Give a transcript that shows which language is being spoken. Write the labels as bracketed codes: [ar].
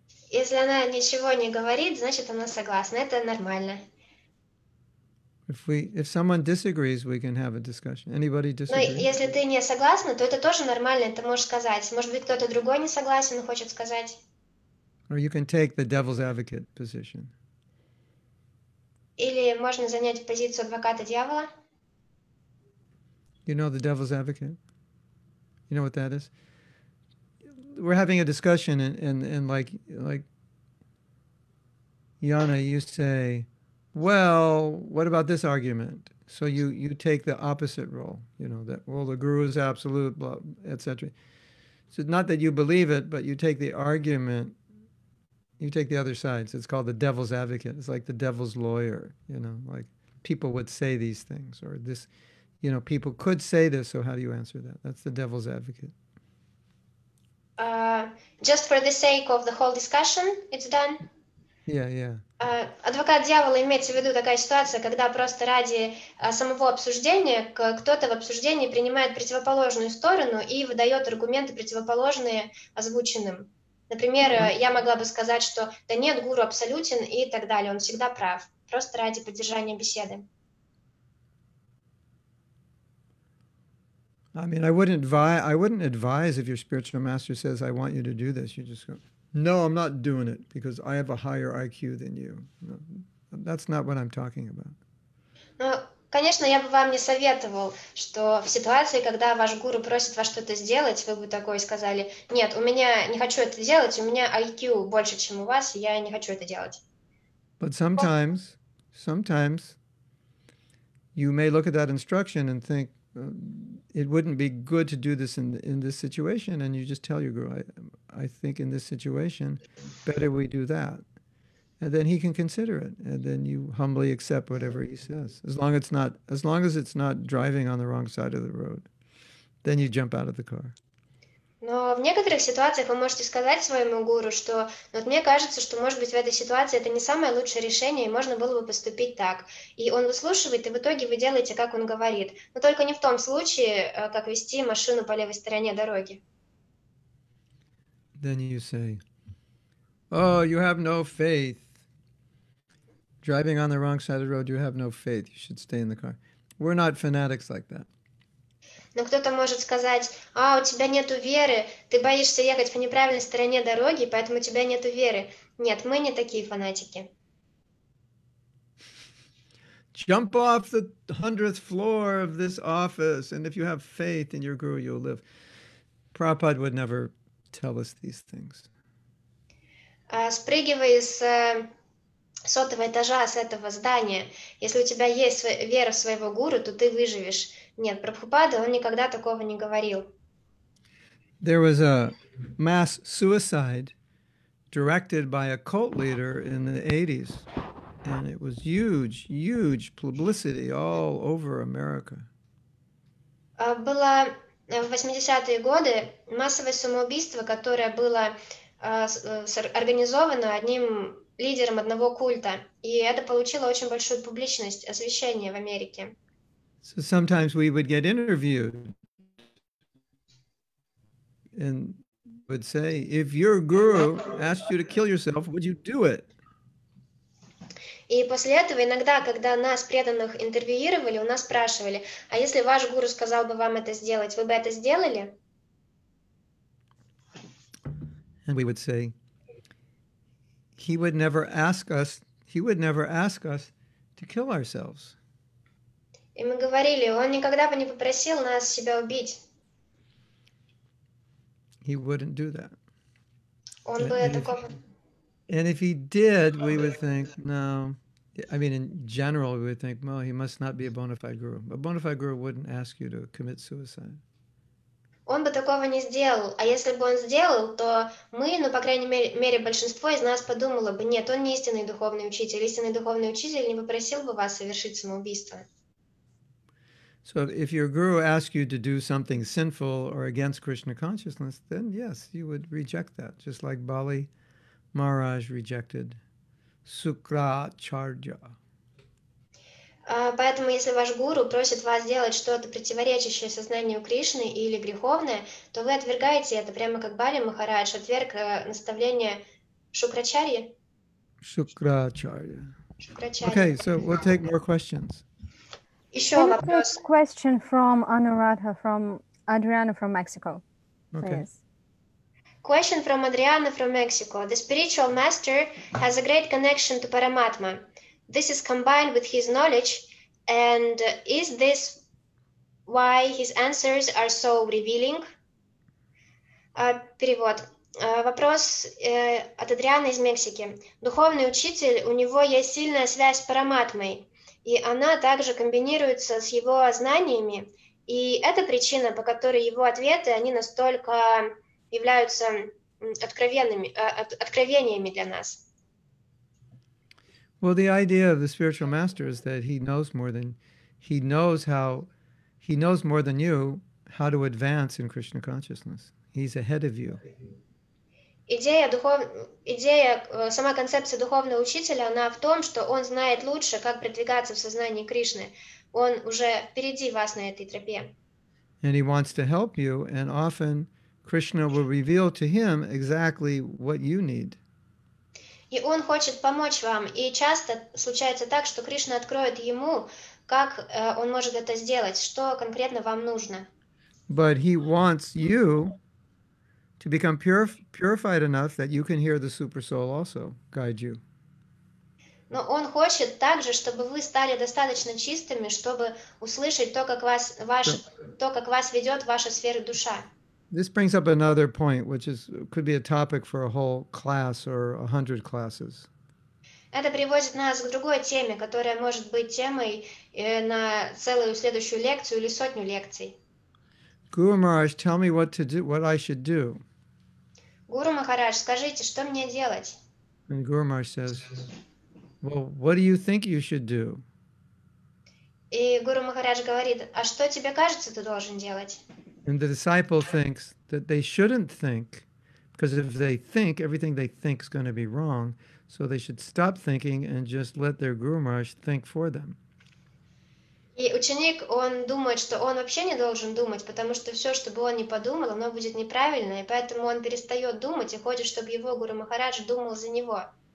[ru] Если она ничего не говорит, значит она согласна. Это нормально. [en] If someone disagrees, we can have a discussion. Anybody disagree? [ru] Ну, если ты не согласна, то это тоже нормально, ты можешь сказать. Может быть, кто-то другой не согласен, хочет сказать. [en] Or you can take the devil's advocate position. [ru] Или можно занять позицию адвоката дьявола. [en] You know the devil's advocate? You know what that is? We're having a discussion and like Yana, you say, well, what about this argument? So you take the opposite role, you know, that, well, the guru is absolute, blah, etc. So not that you believe it, but you take the argument, you take the other side. So it's called the devil's advocate. It's like the devil's lawyer, you know, like people would say these things or this, you know, people could say this. So how do you answer that? That's the devil's advocate. Just for the sake of the whole discussion, it's done. Yeah, yeah. [ru] Адвокат дьявола имеется в виду такая ситуация, когда просто ради самого обсуждения кто-то в обсуждении принимает противоположную сторону и выдает аргументы, противоположные озвученным. Например, я могла бы сказать, что да нет, гуру абсолютен и так далее, он всегда прав, просто ради поддержания беседы. [en] I mean, I wouldn't advise if your spiritual master says, I want you to do this, you just go... No, I'm not doing it because I have a higher IQ than you. No, that's not what I'm talking about. [ru] Ну, конечно, я бы вам не советовал, что в ситуации, когда ваш гуру просит вас что-то сделать, вы бы такой сказали: "Нет, у меня не хочу это делать, у меня IQ больше, чем у вас, и я не хочу это делать". [en] But sometimes you may look at that instruction and think it wouldn't be good to do this in this situation, and you just tell your guru, I think in this situation, better we do that. And then he can consider it, and then you humbly accept whatever he says. As long as it's not driving on the wrong side of the road, then you jump out of the car. [ru] Но в некоторых ситуациях вы можете сказать своему гуру, что вот мне кажется, что, может быть, в этой ситуации это не самое лучшее решение, и можно было бы поступить так. И он выслушивает, и в итоге вы делаете, как он говорит. Но только не в том случае, как вести машину по левой стороне дороги. [en] Then you say, oh, you have no faith. Driving on the wrong side of the road, you have no faith. You should stay in the car. We're not fanatics like that. [ru] Но кто-то может сказать, а, у тебя нету веры, ты боишься ехать по неправильной стороне дороги, поэтому у тебя нету веры. Нет, мы не такие фанатики. [en] Jump off the 100th floor of this office, and if you have faith in your guru, you'll live. Prabhupada would never tell us these things. [ru] Спрыгивай с сотого этажа, с этого здания. Если у тебя есть вера в своего гуру, то ты выживешь. Нет, Прабхупада, он никогда такого не говорил. [en] There was a mass suicide directed by a cult leader in the 80s. And it was huge, huge publicity all over America. [ru] Было в 80-е годы массовое самоубийство, которое было организовано одним лидером одного культа. И это получило очень большую публичность, освещение в Америке. [en] So sometimes we would get interviewed and would say, if your guru asked you to kill yourself, would you do it? [ru] И после этого иногда, когда нас, преданных, интервьюировали, у нас спрашивали, а если ваш гуру сказал бы вам это сделать, вы бы это сделали? [en] And we would say, he would never ask us to kill ourselves. [ru] И мы говорили, он никогда бы не попросил нас себя убить. [en] He wouldn't do that. [ru] Он бы такого... [en] And if he did, we would think, no. I mean, in general, we would think, well, he must not be a bona fide guru. A bona fide guru wouldn't ask you to commit suicide. [ru] Он бы такого не сделал. А если бы он сделал, то мы, ну, по крайней мере, большинство из нас подумало бы, нет, он не истинный духовный учитель. Истинный духовный учитель не попросил бы вас совершить самоубийство. [en] So if your guru asks you to do something sinful or against Krishna consciousness, then yes, you would reject that, just like Bali Maharaj rejected Sukracharya. [ru] Поэтому если ваш гуру просит вас сделать что-то противоречащее сознанию Кришны или греховное, то вы отвергаете это, прямо как Бали Махарадж отверг наставление Шукрачарьи. Шукрачарья. Шукрачарья. [en] Okay, so we'll take more questions. [ru] Еще [en] Can I [ru] вопрос. [en] take a question from Anuradha, from Adriana from Mexico, please? Okay. Question from Adriana from Mexico. The spiritual master has a great connection to Paramatma. This is combined with his knowledge, and is this why his answers are so revealing? [ru] Перевод. Вопрос от Адриана из Мексики. Духовный учитель, у него есть сильная связь с Параматмой, и она также комбинируется с его знаниями, и это причина, по которой его ответы, они настолько являются откровенными, откровениями для нас. [en] Well, the idea of the spiritual master is that he knows more than you how to advance in Krishna consciousness. He's ahead of you. [ru] Идея, сама концепция духовного учителя, она в том, что он знает лучше, как продвигаться в сознании Кришны. Он уже впереди вас на этой тропе. [en] And he wants to help you, and often Krishna will reveal to him exactly what you need. [ru] И он хочет помочь вам, и часто случается так, что Кришна откроет ему, как он может это сделать, что конкретно вам нужно. [en] But he wants you to become purified enough that you can hear the super soul also guide you. [ru] Но он хочет также, чтобы вы стали достаточно чистыми, чтобы услышать то, как вас ваш то, как вас ведет ваша сфера душа. [en] This brings up another point, which is could be a topic for a whole class or 100 classes. [ru] Это приводит нас к другой теме, которая может быть темой на целую следующую лекцию или сотню лекций. [en] Guru Maharaj, tell me what to do, what I should do. [ru] Guru Maharaj, скажите, что мне делать? [en] And Guru Maharaj says, well, what do you think you should do? [ru] И Guru Maharaj говорит, а что тебе кажется, ты должен делать? [en] And the disciple thinks that they shouldn't think, because if they think, everything they think is going to be wrong, so they should stop thinking and just let their Guru Maharaj think for them. [ru] И ученик, он думает, что он вообще не должен думать, потому что все, что бы он ни подумал, оно будет неправильно, и поэтому он перестает думать и хочет, чтобы его Гуру Махарадж думал за него.